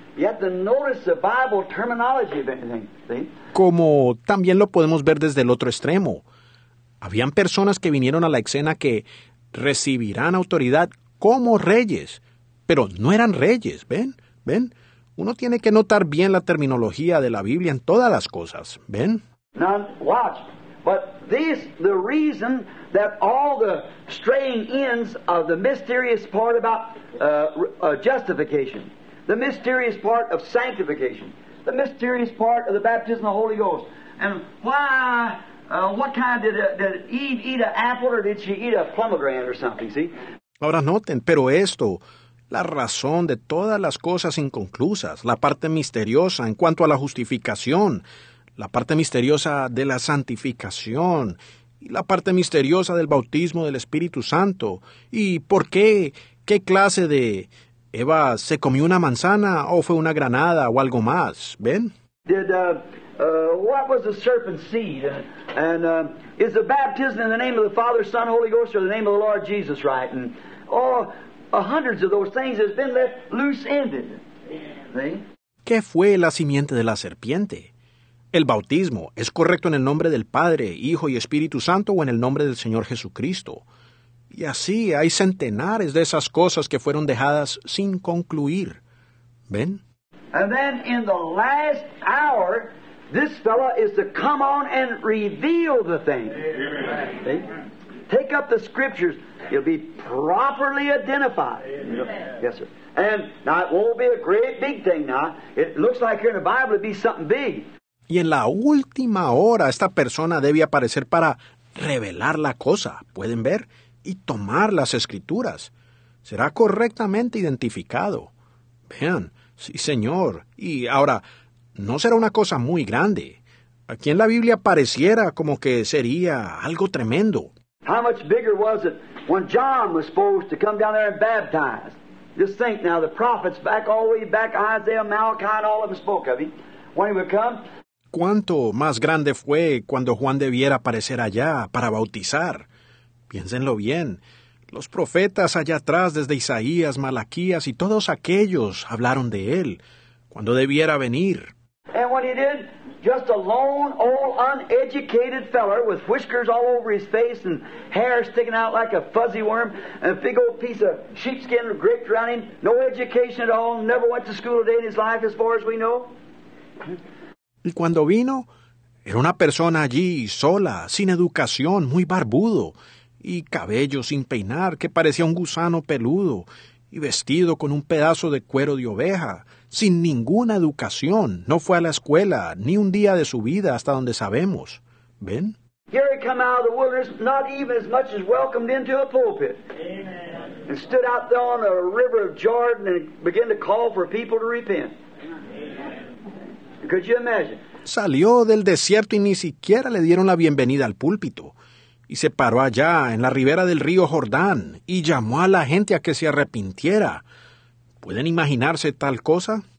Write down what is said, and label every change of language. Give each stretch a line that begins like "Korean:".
English: You have to notice the Bible terminology of anything. See?
Spanish: Como también lo podemos ver desde el otro extremo. Habían personas que vinieron a la escena que recibirán autoridad como reyes, pero no eran reyes, ¿ven? ¿Ven? Uno tiene que notar bien la terminología de la Biblia en todas las cosas, ¿ven?
English: Now, watch. But this, the reason that all the straying ends of the mysterious part about justification, the mysterious part of sanctification, the mysterious part of the baptism of the Holy Ghost, and why, what kind did Eve eat an apple or did she eat a pomegranate or something, see?
Spanish: Ahora noten, pero esto, la razón de todas las cosas inconclusas, la parte misteriosa en cuanto a la justificación, la parte misteriosa de la santificación y la parte misteriosa del bautismo del Espíritu Santo. ¿Y por qué? ¿Qué clase de Eva se comió una manzana o fue una granada o algo más? ¿Ven?
English: What was the serpent's seed? And is the baptism in the name of the Father, Son, Holy Ghost, or the name of the Lord Jesus right? And hundreds of those things has been left loose-ended.
Spanish: ¿Qué fue la simiente de la serpiente? ¿El bautismo es correcto en el nombre del Padre, Hijo y Espíritu Santo o en el nombre del Señor Jesucristo? Y así hay centenares de esas cosas que fueron dejadas sin concluir. ¿Ven?
English: And then in the last hour, this fellow is to come on and reveal the thing. Amen. Take up the scriptures. It'll be properly identified. Amen. Yes, sir. And now it won't be a great big thing now. It looks like here in the Bible it'll be something big.
Spanish: Y en la última hora, esta persona debe aparecer para revelar la cosa. ¿Pueden ver? Y tomar las escrituras. Será correctamente identificado. Vean, sí, señor. Y ahora, no será una cosa muy grande. Aquí en la Biblia pareciera como que sería algo tremendo.
English: How much bigger was it when John was supposed to come down there and baptize? Just think now, the prophets back all the way back, Isaiah, Malachi, and all of them spoke of him. When he would come.
Spanish: ¿Cuánto más grande fue cuando Juan debiera aparecer allá para bautizar? Piénsenlo bien. Los profetas allá atrás, desde Isaías, Malaquías y todos aquellos, hablaron de él cuando debiera venir.
English: And what he did, just a lone, old, uneducated feller with whiskers all over his face and hair sticking out like a fuzzy worm and a big old piece of sheepskin draped around him, no education at all, never went to school a day in his life as far as we know.
Spanish: Y cuando vino, era una persona allí, sola, sin educación, muy barbudo, y cabello sin peinar, que parecía un gusano peludo, y vestido con un pedazo de cuero de oveja, sin ninguna educación. No fue a la escuela, ni un día de su vida, hasta donde sabemos. ¿Ven?
English: Here he come out of the wilderness, not even as much as welcomed into a pulpit. Amen. And stood out there on the river of Jordan and began to call for people to repent. Could you imagine?
Spanish: Salió del desierto y ni siquiera le dieron la bienvenida al púlpito. Y se paró allá, en la ribera del río Jordán, y llamó a la gente a que se arrepintiera. ¿Pueden imaginarse tal cosa?